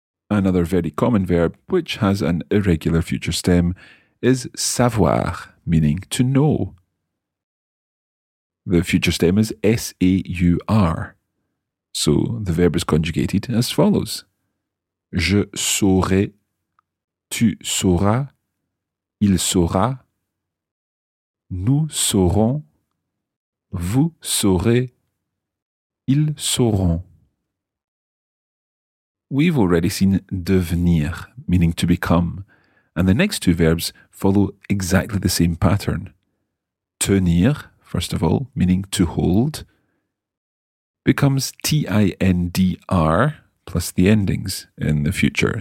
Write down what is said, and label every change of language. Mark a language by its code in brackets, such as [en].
[en] Another very common verb which has an irregular future stem is savoir, meaning to know. The future stem is S-A-U-R. So the verb is conjugated as follows. [fr] Je saurai, tu sauras, il saura, nous saurons, vous saurez, ils sauront. [en] we've already seen devenir, meaning to become. And the next two verbs follow exactly the same pattern. Tenir, first of all, meaning to hold, becomes T-I-N-D-R plus the endings in the future.